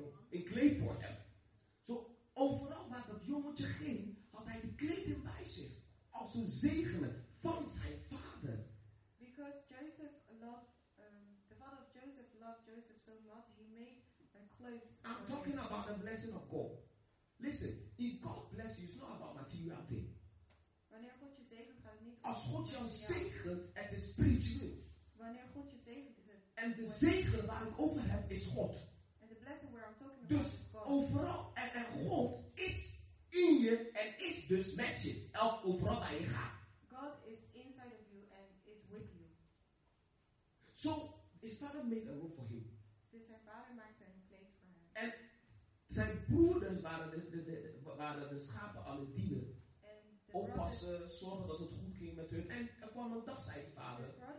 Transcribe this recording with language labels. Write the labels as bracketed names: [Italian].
[Dutch] Een kleed voor hem. Zo, overal waar dat jongetje ging, had hij die kleed in bij zich. Als een zegening van zijn vader. [English] Because Joseph loved, the father of Joseph loved Joseph so much, he made a clothes. I'm talking about the blessing of God. Listen, if God bless you, it's not about material thing. [Dutch] Wanneer God je zegent, gaat het niet. Als God jou zegent, het is spiritueel. Wanneer God je zegent. En de zegen waar ik over heb is God. [English] And the blessing where I'm talking [Dutch] dus [English] about is God. [Dutch] Overal en God is in je en is dus met je. Elk overal waar je gaat. [English] God is inside of you and is with you. So, his father made a robe for him. [Dutch] Dus zijn vader maakte een kleed voor hem. En zijn broeders waren de schapen aan het dienen. Oppassen, zorgen dat het goed ging met hun. En er kwam een dag, zei de vader.